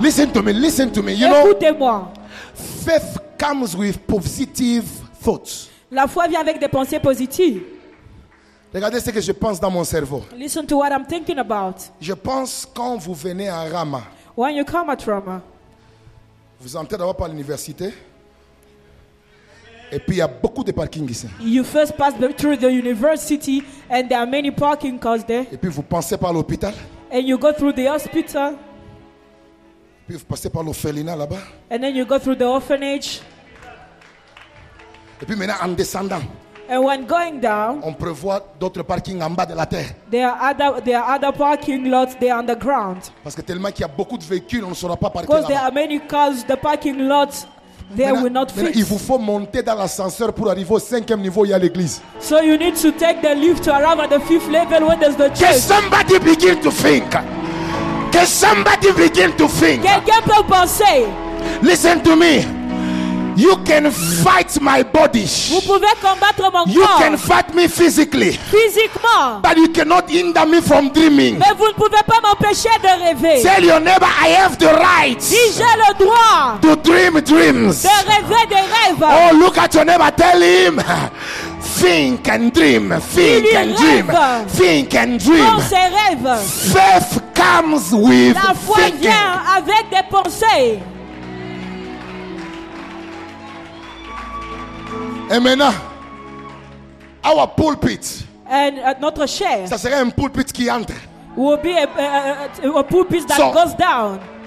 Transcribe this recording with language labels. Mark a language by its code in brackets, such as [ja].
[en] Listen to me, listen to me. You [fr] écoutez-moi. [en] Know, faith comes with positive thoughts. [fr] La foi vient avec des pensées positives. Regardez ce que je pense dans mon cerveau. [en] Listen to what I'm thinking about. [fr] Je pense quand vous venez à Rama. [en] When you come at Rama. [fr] Vous entrez d'abord par l'université. Et puis il y a beaucoup de parkings ici. [en] You first pass through the university and there are many parking cars there. [fr] Et puis vous passez par l'hôpital. [en] And you go through the hospital. [fr] Et puis vous passez par l'orphelinat là-bas. [en] And then you go through the orphanage. [fr] Et puis maintenant, en descendant, [en] and when going down, [fr] on prévoit d'autres parkings en bas de la terre. [en] There are other parking lots. They are underground. [fr] Parce que tellement qu'il y a beaucoup de véhicules, on ne saura pas parquer. [en] Because [fr] là-bas. [en] There are many cars, the parking lots there will not fit. [fr] Il vous faut monter dans l'ascenseur pour arriver au cinquième niveau. Il y a l'église. [en] So you need to take the lift to arrive at the fifth level when there's the church. Can somebody begin to think? Can somebody begin to think? [fr] Quelqu'un peut penser? [en] Listen to me. You can fight my body. [fr] Vous pouvez combattre mon corps. [en] You can fight me physically. [fr] Physiquement. [en] But you cannot hinder me from dreaming. [fr] Mais vous ne pouvez pas m'empêcher de rêver. [en] Tell your neighbor, I have the right. [fr] J'ai le droit. [en] To dream dreams. [fr] De rêver des rêves. [en] Oh, look at your neighbor, tell him. Think and dream. Think and dream. Think and dream. [fr] Pense et rêve. [en] Faith comes with thinking. [fr] La foi vient avec des pensées. Et maintenant, [en] our pulpit. [fr] And notre chair. Ça serait un pulpit qui entre. [en] Will be a pulpit that goes down.